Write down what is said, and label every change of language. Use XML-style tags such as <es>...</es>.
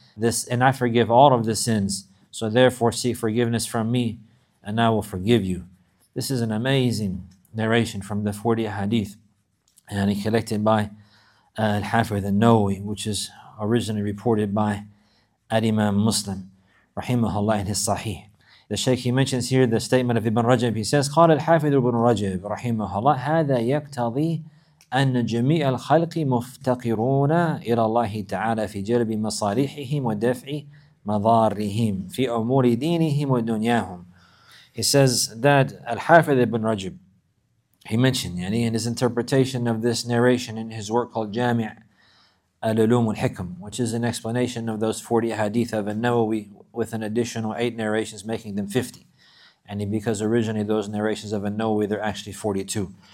<en>This, and I forgive all of the sins. So therefore seek forgiveness from me and I will forgive you. This is an amazing narration from the 40 hadith and collected by Al-Hafidh An-Nawawi, which is originally reported by Al-Imam Muslim, rahimahullah, in his Sahih. The Shaykh, he mentions here the statement of Ibn Rajab. He says,</en> <ar>قال الحافظ ابن رجب رحمه الله هذا يقتضي أن جميع الخلق مفتقرون إلى الله تعالى في جلب مصالحهم ودفع مضارهم في أمور دينهم ودنياهم.</ar> <en>He says that الحافظ ابن رجب, he mentioned, يعني in his interpretation of this narration in his work called جامع العلوم والحكم, which is an explanation of those 40 hadith of النووي with an additional 8 narrations, making them 50. And because originally those narrations of An-Nawawi, they're actually 42.</en>